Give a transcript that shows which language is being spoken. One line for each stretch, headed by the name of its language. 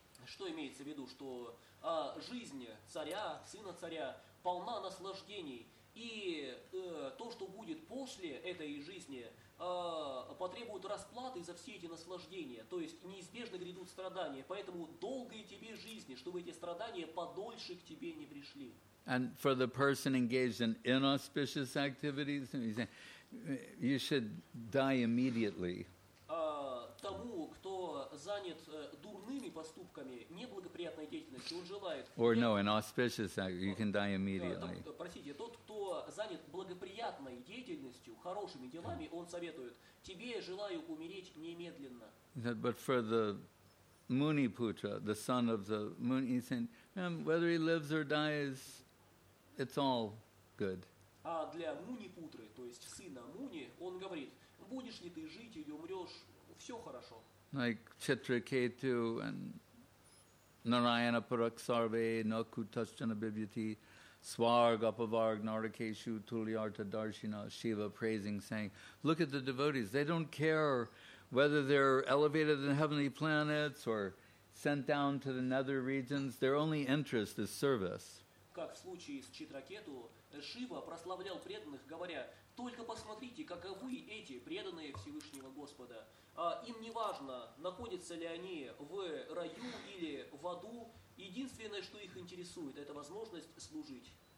Russian: Что имеется в виду, что жизнь царя, сына царя, полна наслаждений, и то, что будет после этой жизни, потребует расплаты за все эти наслаждения, то есть неизбежно грядут страдания, поэтому долгой тебе жизни, чтобы эти страдания подольше к тебе не пришли.
English: And for the person engaged in inauspicious activities, you should die immediately.
Russian: Тому, кто занят дурными поступками, неблагоприятной деятельностью, он желает...
English: Or no, inauspicious, you can die immediately.
Russian: Простите, тот, кто занят благоприятной деятельностью, хорошими делами, он советует, тебе желаю умереть немедленно.
English: But for the Muniputra, the son of the Muni, he said, whether he lives or dies, it's all good.
Russian: А для Муни-путры, то есть сына Муни, он говорит, будешь ли ты жить или умрешь,
English: like Chitraketu and
Sanskrit: Narayana Paraksarve, Nakutaschana Bibhuti, Swargapavarg, Narakeshu, Tuliarta Darshina,
English: Shiva praising, saying, look at the devotees. They don't care whether they're elevated in heavenly planets or sent down to the nether regions. Their only interest is service.
Russian: Как в случае с Читракету, Шива прославлял преданных, говоря, только посмотрите, каковы эти преданные Всевышнего Господа. Им не важно, находятся ли они в раю или в аду. Единственное, что их интересует, это возможность служить.